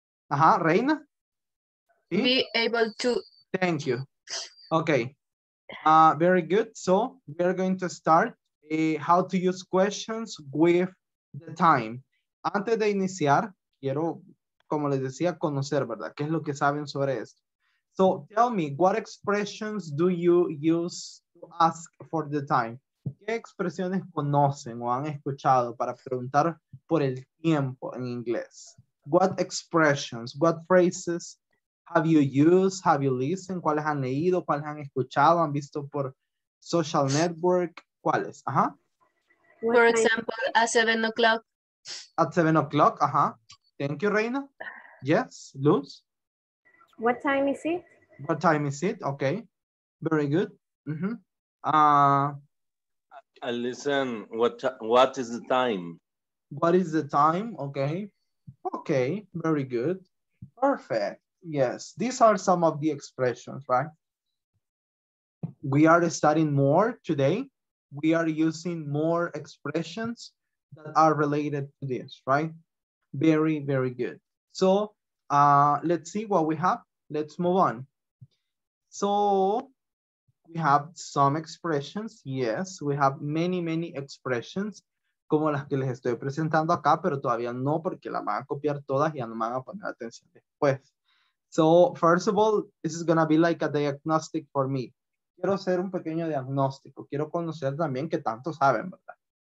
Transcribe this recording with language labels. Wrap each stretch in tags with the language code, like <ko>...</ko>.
<es>Ajá, Reina.</es> <en>¿Sí? Be able to. Thank you. Okay. Very good. So we are going to start how to use questions with the time.</en> <es>Antes de iniciar, quiero, como les decía, conocer, ¿verdad? ¿Qué es lo que saben sobre esto?</es> <en>So tell me, what expressions do you use to ask for the time?</en> <es>¿Qué expresiones conocen o han escuchado para preguntar por el tiempo en inglés?</es> <en>What expressions, what phrases have you used, have you listened?</en> <es>¿Cuáles han leído, cuáles han escuchado, han visto por social network? ¿Cuáles? Ajá.</es> <en>For example, at 7 o'clock. At 7 o'clock, ajá. Thank you, Reina. Yes, Luz. What time is it? What time is it? Okay. Very good. Listen, what is the time? What is the time? Okay. Okay, very good. Perfect. Yes, these are some of the expressions, right? We are studying more today. We are using more expressions that are related to this, right? Very, very good. So let's see what we have. Let's move on. So We have some expressions, yes. We have many, many expressions,</en> <es>como las que les estoy presentando acá, pero todavía no, porque la van a copiar todas y ya no van a poner atención después.</es> <en>So, first of all, this is going to be like a diagnostic for me.</en> <es>Quiero hacer un pequeño diagnóstico. Quiero conocer también qué tanto saben, ¿verdad?</es>